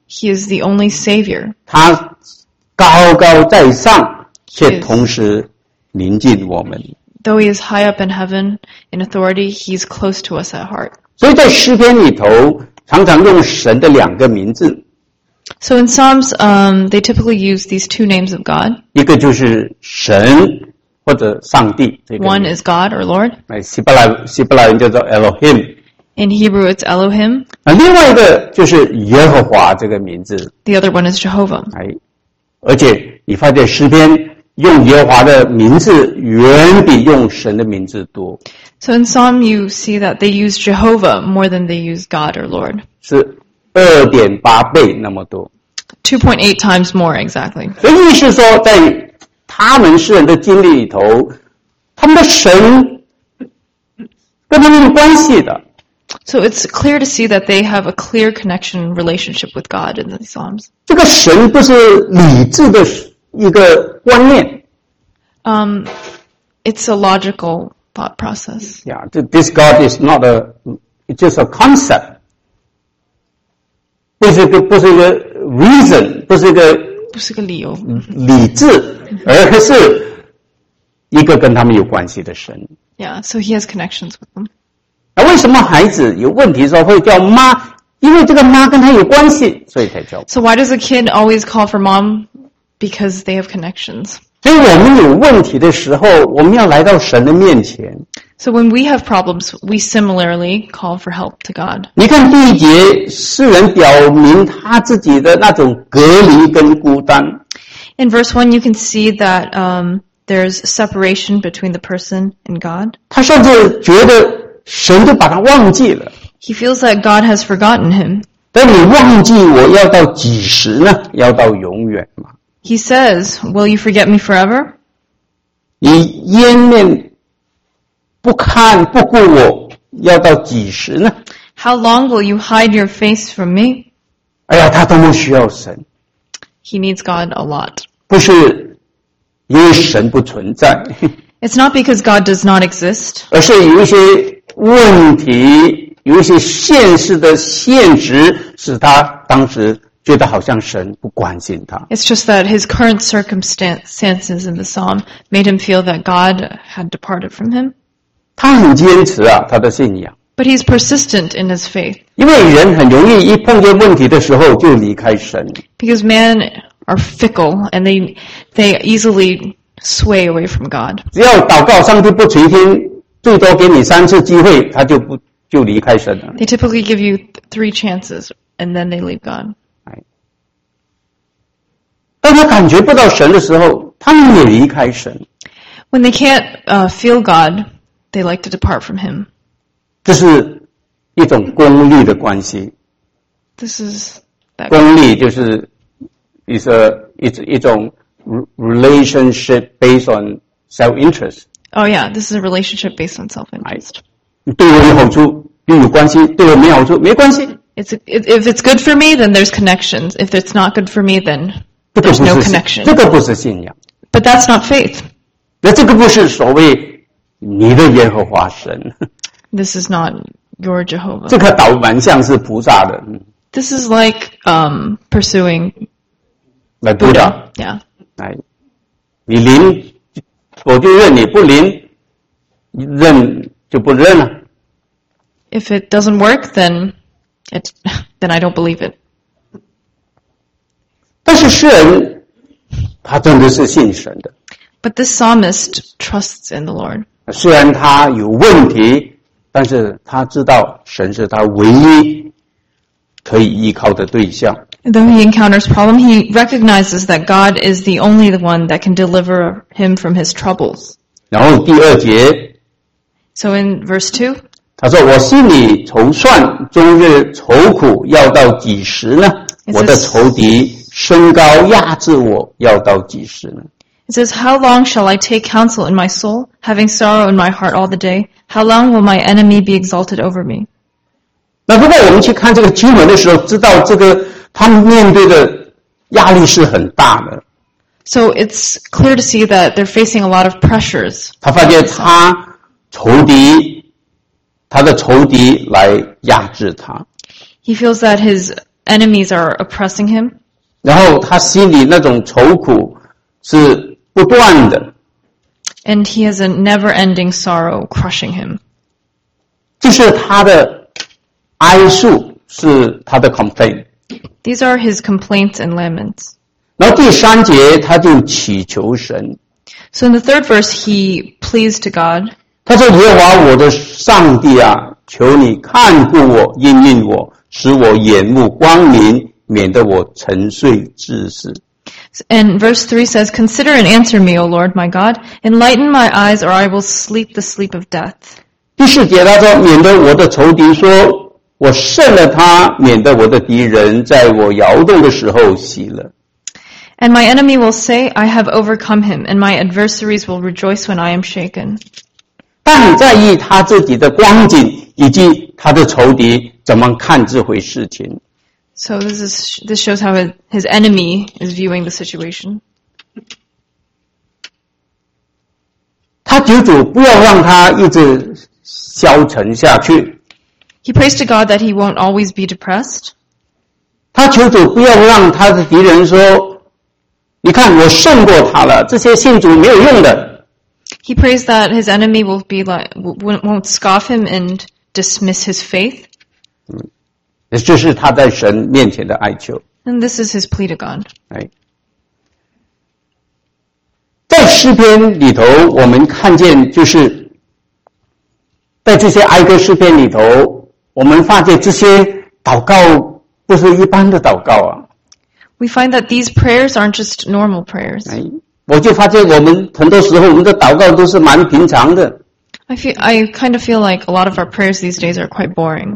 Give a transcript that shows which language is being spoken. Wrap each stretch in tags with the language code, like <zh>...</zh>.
<en>He is the only Savior.</en> <zh>他高高在上，却同时临近我们。</zh> <en>Though He is high up in heaven in authority, He is close to us at heart.</en> <zh>所以在诗篇里头，常常用神的两个名字。</zh> <en>So in Psalms, they typically use these two names of God.</en> <zh>一个就是神或者上帝。</zh> <en>One is God or Lord.</en> <zh>希伯来人叫做 Elohim。</zh> <en>In Hebrew, it's Elohim.</en> <zh>另外一个就是耶和华这个名字。</zh> <en>The other one is Jehovah.</en> <zh>而且你发现诗篇用耶和华的名字远比用神的名字多。</zh> <en>So in Psalm, you see that they use Jehovah more than they use God or Lord.</en> <zh>是2.8倍那么多。</zh> <en>2.8 times more, exactly.</en> <zh>所以意思是说在他们诗人的经历里头，他们的神跟他们有关系的。</zh> <en>So it's clear to see that they have a clear connection relationship with God in the Psalms.</en> <zh>这个神不是理智的一个观念。</zh> <en>It's a logical thought process. Yeah, this God is not it's just a concept.</en> <zh>不是一个</zh> <en>reason，</en> <zh>不是一个不是个理由理智，而是一个跟他们有关系的神。</zh> <en>Yeah, so he has connections with them.</en> <zh>那为什么孩子有问题的时候会叫妈？因为这个妈跟他有关系，所以才叫。</zh> <en>So why does a kid always call for mom? Because they have connections.</en> <zh>所以我们有问题的时候，我们要来到神的面前。</zh> <en>So when we have problems, we similarly call for help to God.</en> <zh>你看第一节，世人表明他自己的那种隔离跟孤单。</zh> <en>In verse 1, you can see that, there's separation between the person and God.</en> <zh>他甚至觉得神都把他忘记了。</zh> <en>He feels that God has forgotten him.</en> <zh>但你忘记我要到几时呢？要到永远吗？</zh> <en>He says, will you forget me forever?</en> <zh>你掩面不看不顾我要到几时呢？</zh> <en>How long will you hide your face from me?</en> <zh>哎呀，他多么需要神。</zh> <en>He needs God a lot.</en> <zh>不是因为神不存在。</zh> <en>It's not because God does not exist.</en> <zh>而是有一些问题，有一些现实的现实，使他当时觉得好像神不关心他。</zh> <en>It's just that his current circumstances in the psalm made him feel that God had departed from him.</en> <zh>他很坚持啊，他的信仰。</zh> <en>But he's persistent in his faith.</en> <zh>因为人很容易一碰见问题的时候就离开神。</zh> <en>Because man are fickle and they easily sway away from God.</en> <zh>只要祷告上帝不垂听，最多给你三次机会，他就不就离开神了。</zh> <en>They typically give you three chances and then they leave God.</en> <zh>当他感觉不到神的时候，他们也离开神。</zh> <en>When they can't feel God, they like to depart from Him.</en> <zh>这是一种功利的关系。</zh> <en>This is that</en> <zh>功利就是 一种</zh> <en>relationship based on self-interest. Oh yeah, this is a relationship based on self-interest.</en> <zh>对我有好处，又有关系；对我没好处，没关系。</zh> <en>If it's good for me, then there's connections. If it's not good for me, then there's no connection.</en> <zh>这个不是信仰。</zh> <en>But that's not faith.</en> <zh>那这个不是所谓你的耶和华神。</zh> <en>This is not your Jehovah.</en> <zh>这个倒蛮像是菩萨的。</zh> <en>This is like pursuing like Buddha. Buddha. Yeah.</en> <zh>来，你灵，我就认你不灵，认就不认了。</zh> <en>If it doesn't work, then I don't believe it.</en> <zh>但是诗人他真的是信神的。</zh> <en>But this psalmist trusts in the Lord.</en> <zh>虽然他有问题，但是他知道神是他唯一可以依靠的对象。</zh> <en>Though he encounters problem, he recognizes that God is the only one that can deliver him from his troubles.</en> <zh>然后第二节。</zh> <en>So in verse 2.</en> <zh>他说，我心里筹算终日愁苦要到几时呢？我的仇敌升高压制我要到几时呢？</zh> <en>It says, how long shall I take counsel in my soul, having sorrow in my heart all the day? How long will my enemy be exalted over me?</en> <zh>那如果我们去看这个经文的时候，知道这个他们面对的压力是很大的。</zh> <en>So it's clear to see that they're facing a lot of pressures.</en> <zh>他发现他仇敌，他的仇敌来压制他。</zh> <en>He feels that his enemies are oppressing him.</en> <zh>然后他心里那种愁苦是不断的。</zh> <en>And he has a never-ending sorrow crushing him.</en> <zh>这是他的哀诉，是他的</zh> <en>complain。 These are his complaints and laments.</en> <zh>然后第三节他就祈求神。</zh> <en>So in the third verse, he pleads to God.</en> <zh>他说，耶和华我的上帝啊，求你看顾我，应允我，使我眼目光明，免得我沉睡致死。</zh> <en>And verse 3 says, consider and answer me, O Lord, my God. Enlighten my eyes, or I will sleep the sleep of death.</en> <zh>第四节他说，免得我的仇敌说，我胜了他，免得我的敌人在我摇动的时候息了。</zh> <en>And my enemy will say, I have overcome him, and my adversaries will rejoice when I am shaken.</en> <zh>但在意他自己的光景，以及他的仇敌怎么看这回事情。</zh> <en>So this shows how his enemy is viewing the situation.</en> <zh>他求主不要让他一直消沉下去。</zh> <en>He prays to God that he won't always be depressed.</en> <zh>他求主不要让他的敌人说，你看我胜过他了，这些信主没有用的。</zh> <en>He prays that his enemy will be like, won't scoff him and dismiss his faith.</en> <zh>嗯，也就是他在神面前的哀求。</zh> <en>And this is his plea to God.</en> <zh>在诗篇里头，我们看见就是在这些哀歌诗篇里头，我们发现这些祷告不是一般的祷告啊。</zh> <en>We find that these prayers aren't just normal prayers.</en> <zh>我就发现我们很多时候我们的祷告都是蛮平常的。</zh> <en>I kind of feel like a lot of our prayers these days are quite boring.</en>